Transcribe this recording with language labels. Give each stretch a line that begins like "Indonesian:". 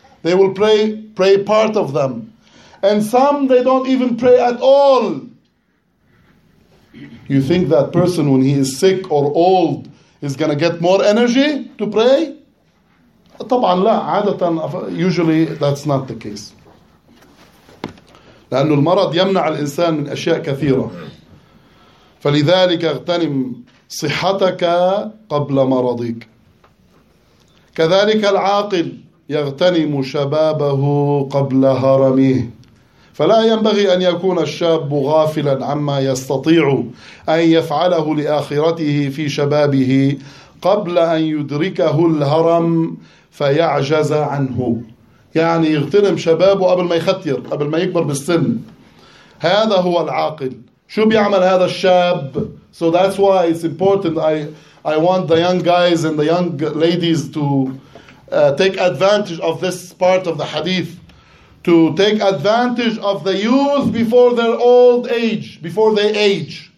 English: They will pray part of them. And some, they don't even pray at all. You think that person when he is sick or old is going to get more energy to pray?
Arabic: طبعا لا، عادة
English: usually that's not the case.
Arabic: لأن المرض يمنع الإنسان من أشياء كثيرة. فلذلك اغتنم صحتك قبل مرضك. كذلك العاقل يغتنم شبابه قبل هرمه. فلا ينبغي أن يكون الشاب غافلا عما يستطيع أن يفعله لآخرته في شبابه قبل أن يدركه الهرم فيعجز عنه. يعني يغتنم شبابه قبل ما يختير، قبل ما يكبر بالسن. هذا هو العاقل. شو بيعمل هذا الشاب؟
English: So that's why it's important. I want the young guys and the young ladies to take advantage of this part of the hadith. To take advantage of the youth before their old age, before they age.